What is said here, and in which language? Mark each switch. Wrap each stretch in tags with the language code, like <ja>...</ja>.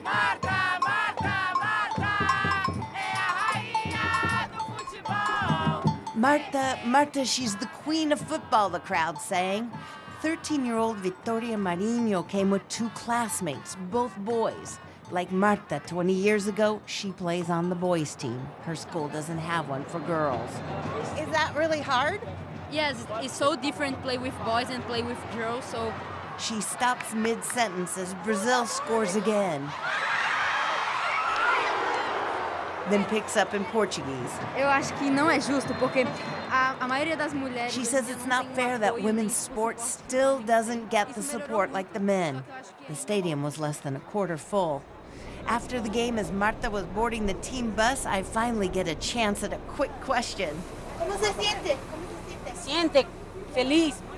<pt>Marta, Marta, Marta, é a rainha do futebol.</pt> <en>Marta, Marta, she's the queen of football, the crowd sang. 13-year-old Victoria Marinho came with 2 classmates, both boys. Like Marta 20 years ago, she plays on the boys' team. Her school doesn't have one for girls. Is that really hard? Yes, it's so different play with boys and play with girls, so... She stops mid-sentence as Brazil scores again. Then picks up in Portuguese.</en> <pt>Eu acho que não é justo porque a maioria das mulheres.</pt> <en>She says it's not fair that women's sport still doesn't get the support like the men. The stadium was less than a quarter full. After the game, as Marta was boarding the team bus, I finally get a chance at a quick question.</en> <es>Como se siente? Siente feliz.</es>